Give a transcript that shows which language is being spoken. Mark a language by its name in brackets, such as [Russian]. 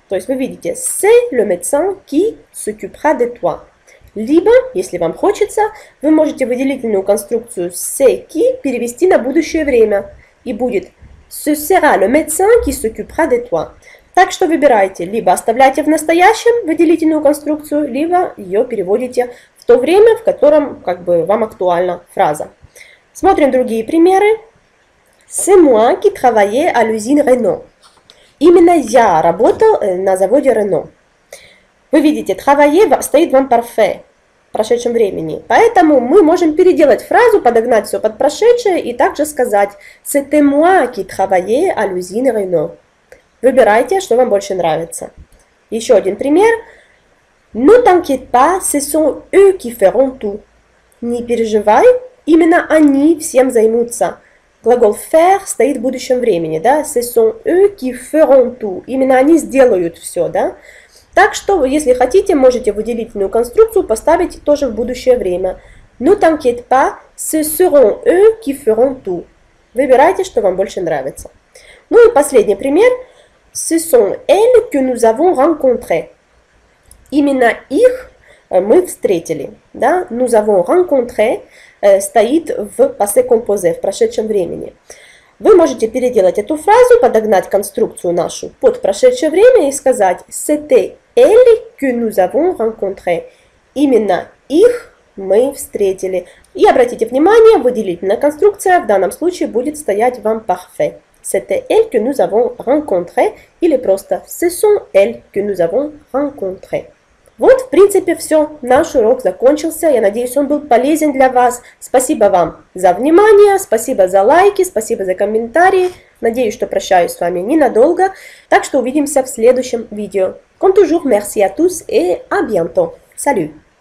[Russian] То есть вы видите [French] c'est le médecin qui s'occupera de toi. [Russian] Либо, если вам хочется, вы можете выделительную конструкцию [French] c'est qui [Russian] перевести на будущее время. И будет [French] Ce sera le médecin qui s'occupera de toi. [Russian] Так что выбирайте, либо оставляйте в настоящем выделительную конструкцию, либо ее переводите в то время, в котором как бы, вам актуальна фраза. Смотрим другие примеры. [French] C'est moi qui travaillais à l'usine Renault. [Russian] Именно я работал на заводе Renault. Вы видите, travailler стоит в imparfait. прошедшем времени. Поэтому мы можем переделать фразу, подогнать все под прошедшее и также сказать [French] «C'était moi qui travaillais à l'usine Renault». [Russian] Выбирайте, что вам больше нравится. Еще один пример. [French] «Ne t'inquiète pas, ce sont eux qui feront tout». [Russian] «Не переживай, именно они всем займутся». Глагол «faire» стоит в будущем времени, да? [French] «Ce sont eux qui feront tout». [Russian] Именно они сделают все, да? Так что, если хотите, можете в удивительную конструкцию поставить тоже в будущее время. [French] «Ne t'inquiète pas, ce seront eux qui feront tout». [Russian] Выбирайте, что вам больше нравится. Ну и последний пример. [French] «Ce sont elles que nous avons rencontrées». [Russian] Именно их мы встретили, да? [French] «Nous avons rencontrées» [Russian] стоит в passé composé, в прошедшем времени. Вы можете переделать эту фразу, подогнать конструкцию нашу под прошедшее время и сказать [French] «C'était elle que nous avons rencontré». [Russian] Именно их мы встретили. И обратите внимание, выделительная конструкция в данном случае будет стоять в imparfait. [French] «C'était elle que nous avons rencontré» или просто «Ce sont elles que nous avons rencontré». [Russian] Вот, в принципе, все. Наш урок закончился. Я надеюсь, он был полезен для вас. Спасибо вам за внимание, спасибо за лайки, спасибо за комментарии. Надеюсь, что прощаюсь с вами ненадолго. Так что увидимся в следующем видео. [French] Comme toujours, merci à tous et à bientôt. Salut!